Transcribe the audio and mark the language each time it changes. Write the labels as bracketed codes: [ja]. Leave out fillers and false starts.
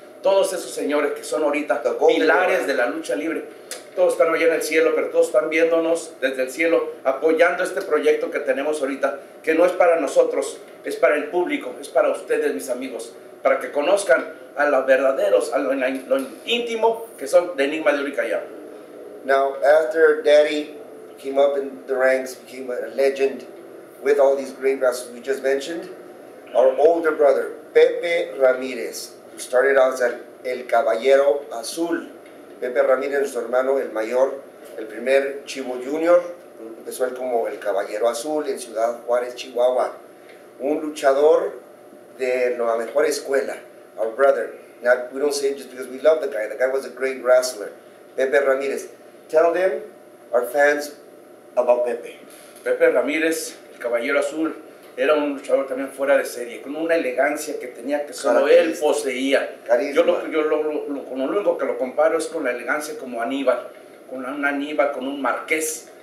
[es] Todos esos señores que son ahorita pilares de la lucha libre, todos están hoy en el cielo, pero todos están viéndonos desde el cielo, apoyando este proyecto que tenemos ahorita, que no es para nosotros, es para el público, es para ustedes, mis amigos, para que conozcan a los verdaderos, a lo íntimo que son de Enigma de Uricayam. [en] Now, after Daddy came up in the ranks, became a legend with all these great wrestlers we just mentioned, our older brother, Pepe Ramírez, started out as El Caballero Azul. [es] Pepe Ramírez, nuestro hermano, el mayor, el primer Chivo Junior, empezó él como El Caballero Azul en Ciudad Juárez, Chihuahua. Un luchador de la mejor escuela, [en] our brother. Now, we don't say it just because we love the guy was a great wrestler. Pepe Ramírez, tell them, our fans, about Pepe. [es] Pepe Ramírez, El Caballero Azul, era un luchador también fuera de serie, con una elegancia que tenía que solo él poseía. Carisma. Yo lo único que lo comparo es con la elegancia como Aníbal, con un Aníbal, con un Marqués.